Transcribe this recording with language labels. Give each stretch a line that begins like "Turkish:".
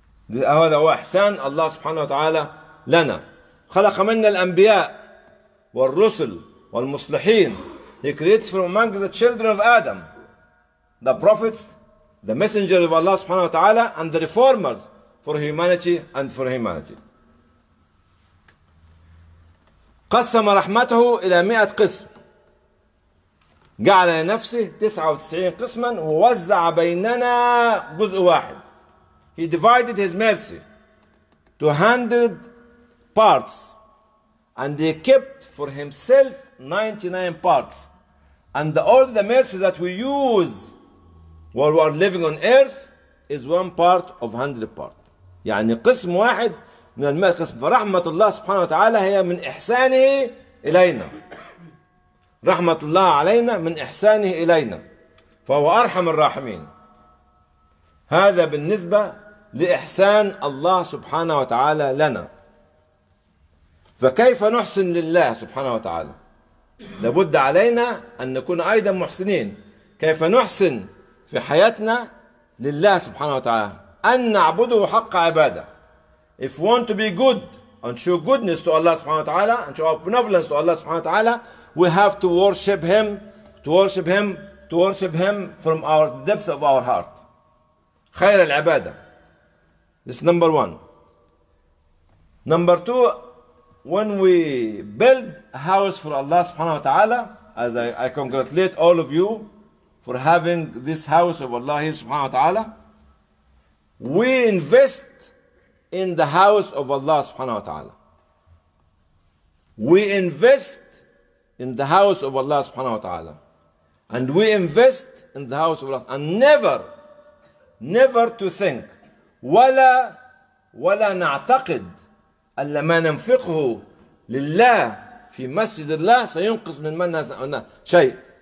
Arabic: هذا هو إحسان الله سبحانه وتعالى لنا. خلق منا الأنبياء والرسل والمصلحين.
English: He creates from among the children of Adam the prophets, the messenger of Allah subhanahu wa ta'ala, and the reformers for humanity and for humanity.
Arabic: قسم رحمته إلى 100 قسم. جعل لنفسه 99 قسما ووزع بيننا جزء واحد.
English: He divided his mercy to 100 parts and he kept for himself 99 parts. And all the mercy that we use while we are living on earth is one part of 100 parts.
Arabic: يعني قسم واحد من المئة قسم. فرحمة الله سبحانه وتعالى هي من إحسانه إلينا. رحمة الله علينا من إحسانه إلينا. فهو أرحم الراحمين. هذا بالنسبة لإحسان الله سبحانه وتعالى لنا. فكيف نحسن لله سبحانه وتعالى؟ لابد علينا أن نكون أيضا محسنين. كيف نحسن في حياتنا لله سبحانه وتعالى؟ أن نعبده حق عبادة.
English: If we want to be good and show goodness to Allah سبحانه وتعالى and show benevolence to Allah سبحانه وتعالى, we have to worship Him, to worship Him, to worship Him from our depth of our heart.
Arabic: خير العبادة.
English: This is number one. Number two, when we build a house for Allah subhanahu wa ta'ala, as I congratulate all of you for having this house of Allah here subhanahu wa ta'ala, we invest in the house of Allah subhanahu wa ta'ala. We invest in the house of Allah subhanahu wa ta'ala. And we invest in the house of Allah. And never to think,
Arabic: ولا نعتقد أن ما ننفقه لله في مسجد الله سينقص من منا شيء.